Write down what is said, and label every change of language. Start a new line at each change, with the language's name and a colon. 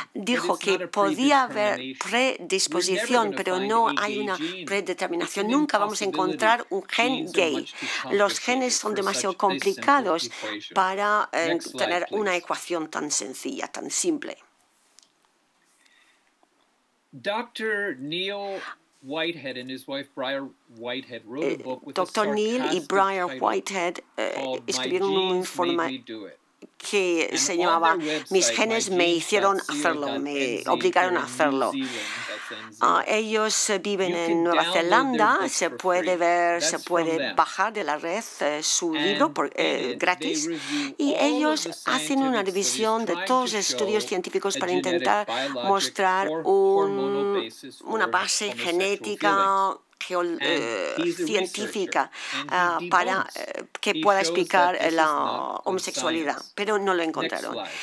Spanish: Dijo que podía haber predisposición, pero no hay una predeterminación. Nunca vamos a encontrar un gen gay. Los genes son demasiado complicados para tener una ecuación tan sencilla, tan simple.
English: Doctor Neil Whitehead and his wife Briar Whitehead wrote a book with
Spanish: Doctor Neil y Briar Whitehead escribieron un informe que se llamaba Mis genes me hicieron hacerlo, me obligaron a hacerlo. Ellos viven en Nueva Zelanda, se puede ver, se puede bajar de la red su libro gratis, y ellos hacen una revisión de todos los estudios científicos para intentar mostrar una base genética científica para que pueda explicar la homosexualidad, pero no lo encontraron.